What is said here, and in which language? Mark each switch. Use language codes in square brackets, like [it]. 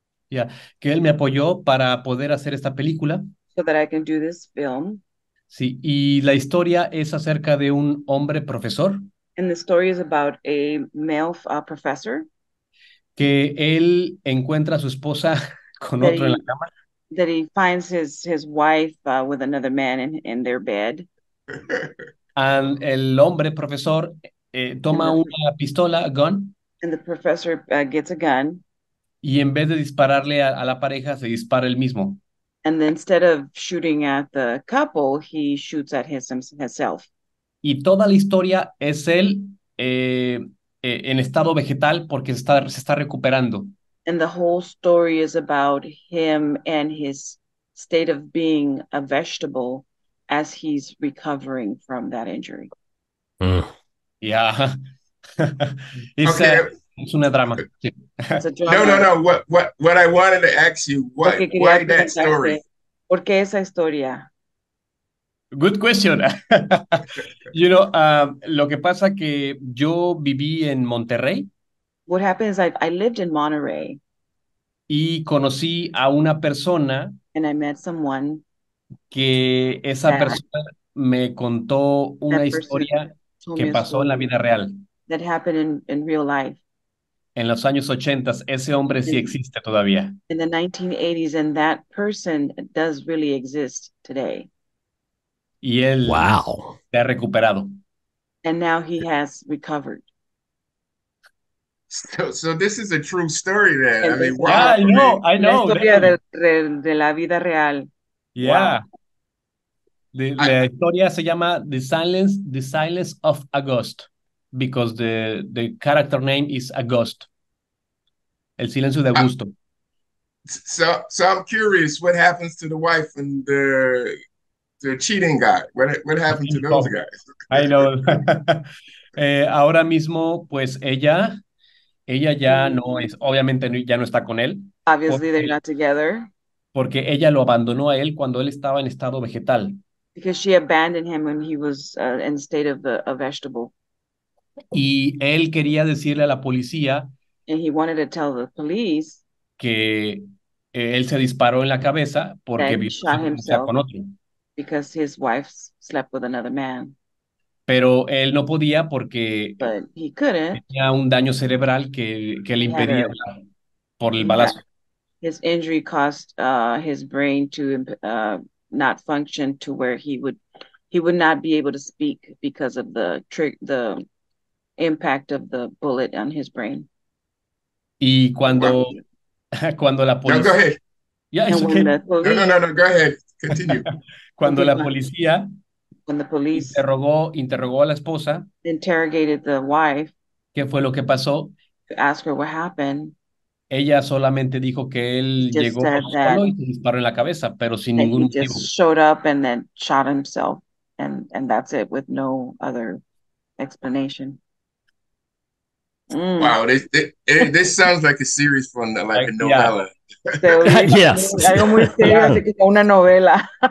[es] Yeah, que él me apoyó para poder hacer esta película. [en] So that I can do this film. [es] Sí, y la historia es acerca de un hombre profesor. [en] And the story is about a male professor. [es] Que él encuentra a su esposa con otro en la cama. [en] That he finds his wife with another man in their bed. And [es] el hombre profesor toma una pistola, [en] a gun. And the professor gets a gun. [es] Y en vez de dispararle a la pareja, se dispara él mismo. [en] And instead of shooting at the couple, he shoots at himself. [es] Y toda la historia es él en estado vegetal porque se está recuperando. [en] And the whole story is about him and his state of being a vegetable as he's recovering from that injury. Yeah. It's [es] una drama. [en] No. What I wanted to ask you, why that story? [es] ¿Por qué esa historia? [en] Good question. You know, [es] lo que pasa que yo viví en Monterrey. [en] What happens, I lived in Monterrey. [es] Y conocí a una persona. [en] And I met someone. [es] Que esa persona me contó una historia que pasó en la vida real. [en] That happened in real life. [es] En los años 80, ese hombre sí existe todavía. [en] In the 1980s, and that person does really exist today. [es] Y él [en] wow. [es] Se ha recuperado. [en] And now he has recovered. So this is a true story then. I mean, wow. Yeah, I know. [es] La historia de la vida real. Yeah. Wow. La historia se llama The Silence of August. [en] Because the character name is August. El silencio de Augusto. So I'm curious, what happens to the wife and the cheating guy? What happened to those guys? I know. [es] ahora mismo, pues ella ya no está con él. [en] Obviously, they're not together. [es] Porque ella lo abandonó a él cuando él estaba en estado vegetal. [en] Because she abandoned him when he was in state of a vegetable. [es] Y él quería decirle a la policía. [en] And he wanted to tell the police. [es] Que él se disparó en la cabeza porque vivía en casa con otro. [en] Because his wife slept with another man. [es] Pero él no podía porque tenía un daño cerebral que le impedía por el balazo. [en] His injury caused his brain to not function to where he would not be able to speak because of the impact of the bullet on his brain. [es] Y cuando la policía... [en] No, go ahead. Yeah, it's okay. No, go ahead. Continue. [es] Cuando la policía... [en] When the police [es] interrogó a la esposa, [en] interrogated the wife, [es] ¿qué fue lo que pasó? [en] To ask her what happened. [es] Ella solamente dijo que él llegó solo y se disparó en la cabeza, pero sin ningún motivo. [en] He just showed up and then shot himself, and that's it, with no other explanation. Mm. Wow, this sounds like a series from like a novella. Yeah. Yes. [es] Algo muy serio, así que una novela.